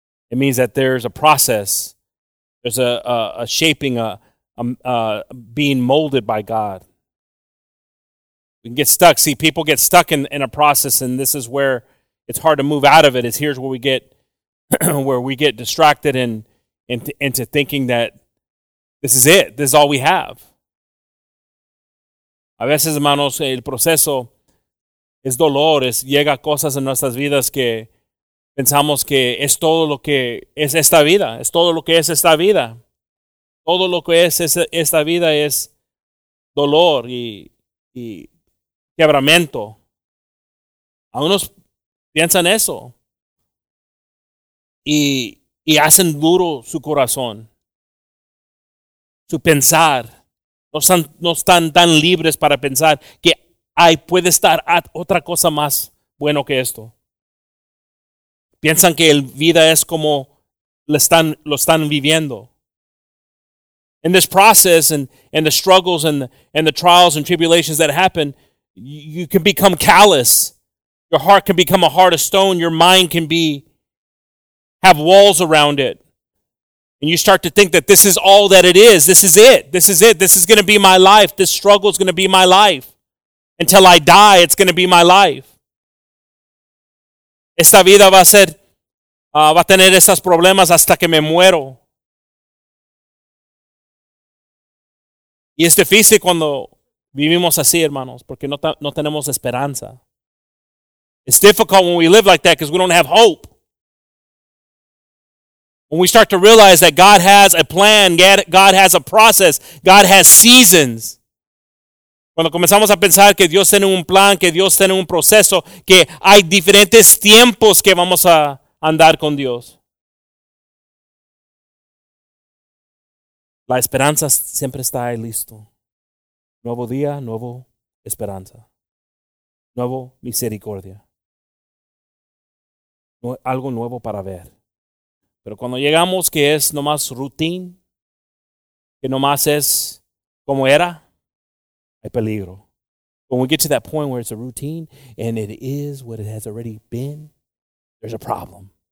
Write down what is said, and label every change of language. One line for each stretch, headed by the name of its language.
English: It means that there's a process. There's a shaping, a being molded by God. We can get stuck. See, people get stuck in a process, and this is where it's hard to move out of it. It's here's where we get where we get distracted and into thinking that this is it. This is all we have.
Spanish: A veces, hermanos, el proceso es dolor, es, llega cosas en nuestras vidas que pensamos que es todo lo que es esta vida, es todo lo que es esta vida. Todo lo que es esta vida es dolor y quebramiento. Algunos piensan eso y hacen duro su corazón, su pensar. No están tan libres para pensar que ay, puede estar otra cosa más bueno que esto. Piensan que la vida es como lo están viviendo.
English: In this process and the struggles and the trials and tribulations that happen, you can become callous. Your heart can become a heart of stone. Your mind can be have walls around it. And you start to think that this is all that it is. This is it. This is it. This is going to be my life. This struggle is going to be my life. Until I die, it's going to be my life.
Spanish: Esta vida va a ser, va a tener esos problemas hasta que me muero. Y es difícil cuando vivimos así, hermanos, porque no tenemos esperanza.
English: It's difficult when we live like that because we don't have hope. When we start to realize that God has a plan, God has a process, God has seasons.
Spanish: Cuando comenzamos a pensar que Dios tiene un plan, que Dios tiene un proceso, que hay diferentes tiempos que vamos a andar con Dios. La esperanza siempre está ahí listo. Nuevo día, nuevo esperanza. Nuevo misericordia. No, algo nuevo para ver. Pero cuando llegamos que es nomás
English: routine,
Spanish: que nomás es como era, hay peligro.
English: When we get to that point where it's a routine and it is what it has already been, there's a problem.